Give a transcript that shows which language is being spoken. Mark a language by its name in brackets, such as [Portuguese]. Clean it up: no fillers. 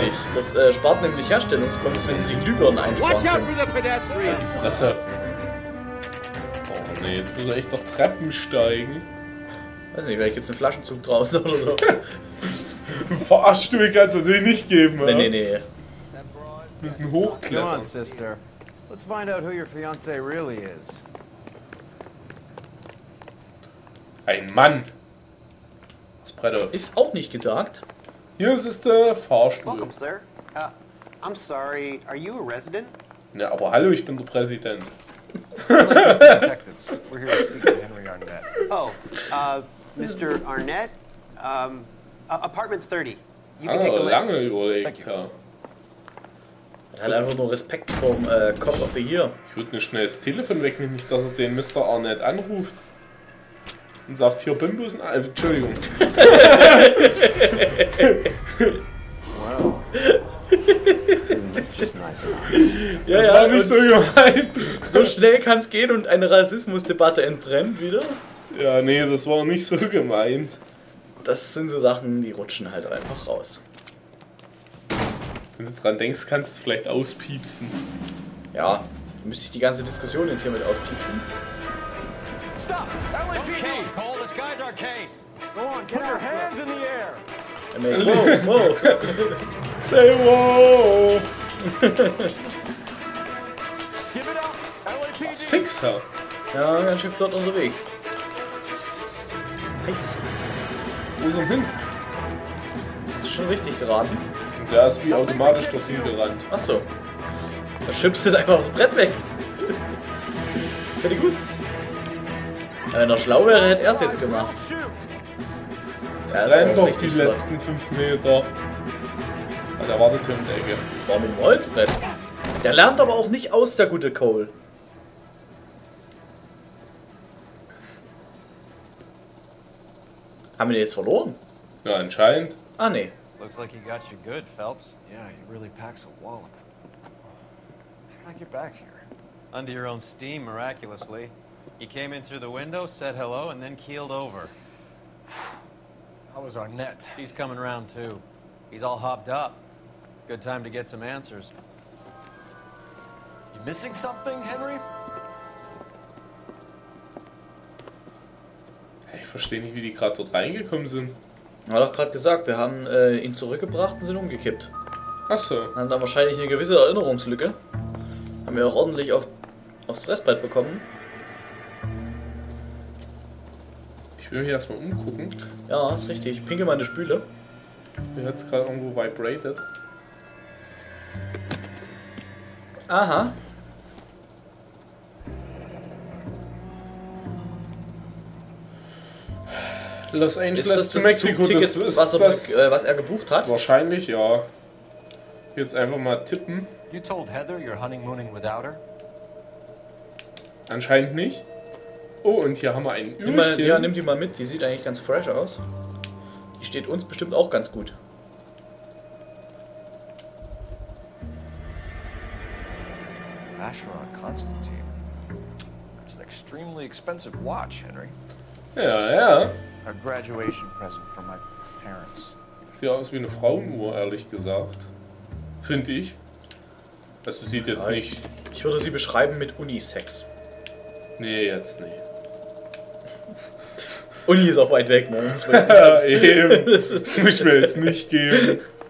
[German] Richtig, das spart nämlich Herstellungskosten, wenn sie die Glühbirnen einsparen. [English] Watch out for the pedestrian! [German] Ja, die Fresse. Oh ne, jetzt muss er echt noch Treppen steigen. Weiß nicht, vielleicht gibt's einen Flaschenzug draußen oder so. Fahrstuhl kannst du natürlich nicht geben, ne? Nee. Bisschen hochklettern. [English] Come on, sister. Let's find out who your fiance really is. [German] Ein Mann! Das Brett auf. Ist auch nicht gesagt. Hier ist es der Fahrstuhl. [English] Welcome, sir. I'm sorry, are you a resident? [German] Ja, aber hallo, ich bin der Präsident. [English] We're here to speak to Henry Arnett. Oh, Mr. Arnett, apartment 30. You can take a look. [German] Lange überlegt, ja. Er hat einfach nur Respekt vom [English] Cop of the Year. [German] Ich würde ein schnelles Telefon wegnehmen, nicht, dass er den Mr. Arnett anruft. Und sagt, hier Bimbus, Entschuldigung. Wow. [English] Isn't this just nice [German] enough? Ja, das war nicht so gemeint. So schnell kann es gehen und eine Rassismusdebatte entbrennt wieder. Ja, nee, das war nicht so gemeint. Das sind so Sachen, die rutschen halt einfach raus. Wenn du dran denkst, kannst du es vielleicht auspiepsen. Ja, dann müsste ich die ganze Diskussion jetzt hier mit auspiepsen. [English] Stop! LAPD! Call, this guy's our case! Go on, get your hands in the air! I mean, whoa, whoa! Say whoa! Give it up, LAPD! Fixer! [German] Ja, ganz schön flott unterwegs. Nichts. Wo ist er hin? Ist schon richtig geraten. Der ist wie automatisch durch ihn gerannt. Achso. Da schippst du einfach das Brett weg. Fertig, Guss. Wenn er schlau wäre, hätte er es jetzt gemacht. Er rennt doch die letzten 5 Meter. Der wartet hier in der Ecke. Boah, mit dem Holzbrett. Der lernt aber auch nicht aus, der gute Cole. Haben wir den jetzt verloren? Ja, anscheinend. Ah, nee. [English] Looks like he got you good, Phelps. Yeah, he really packs a wallop. I get back here. Under your own steam, miraculously. You came in through the window, said hello, and then keeled over. How was our net? He's coming around too. He's all hopped up. Good time to get some answers. You missing something, Henry? [German] Hey, ich verstehe nicht, wie die gerade dort reingekommen sind. Hat doch gerade gesagt, wir haben ihn zurückgebracht und sind umgekippt. Achso. Haben da wahrscheinlich eine gewisse Erinnerungslücke. Haben wir auch ordentlich aufs Fressbrett bekommen. Ich will mich erstmal umgucken. Ja, ist richtig. Ich pinkel meine Spüle. Mir hat es gerade irgendwo vibrated. Aha. Los Angeles zu Mexiko, Ticket, was er gebucht hat? Wahrscheinlich, ja. Jetzt einfach mal tippen. [English] You told Heather you're honeymooning without her? [German] Anscheinend nicht. Oh, und hier haben wir ein Ölchen. Ja, nimm die mal mit, die sieht eigentlich ganz fresh aus. Die steht uns bestimmt auch ganz gut. Astronaut Constantine. [English] It's an extremely expensive watch, Henry. [German] Ja, ja. [English] A graduation present for my parents. [German] Sieht aus wie eine Frauenuhr, ehrlich gesagt. Finde ich. Also sieht jetzt ja, nicht. Ich würde sie beschreiben mit Unisex. Nee, jetzt nicht. Uni ist auch weit weg, ne? Das muss ich mir jetzt nicht geben.